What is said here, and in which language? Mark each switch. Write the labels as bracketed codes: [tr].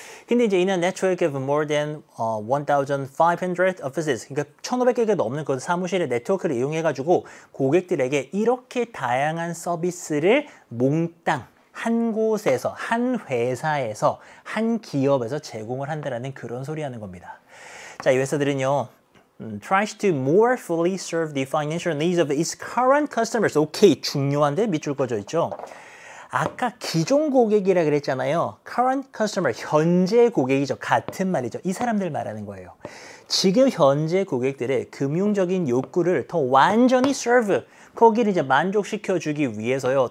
[ko] 근데 이제 이는 네트워크 [en] of more than 1,500 offices. [ko] 그러니까 1,500개가 넘는 그 사무실의 네트워크를 이용해가지고 고객들에게 이렇게 다양한 서비스를 몽땅 한 곳에서, 한 회사에서, 한 기업에서 제공을 한다라는 그런 소리 하는 겁니다. 자, 이 회사들은요. [en] tries to more fully serve the financial needs of its current customers. [ko] 오케이, 중요한데 밑줄 꺼져 있죠. 아까 기존 고객이라 그랬잖아요. [en] current customer, [ko] 현재 고객이죠. 같은 말이죠. 이 사람들 말하는 거예요. 지금 현재 고객들의 금융적인 욕구를 더 완전히 serve, 거기를 이제 만족시켜주기 위해서요.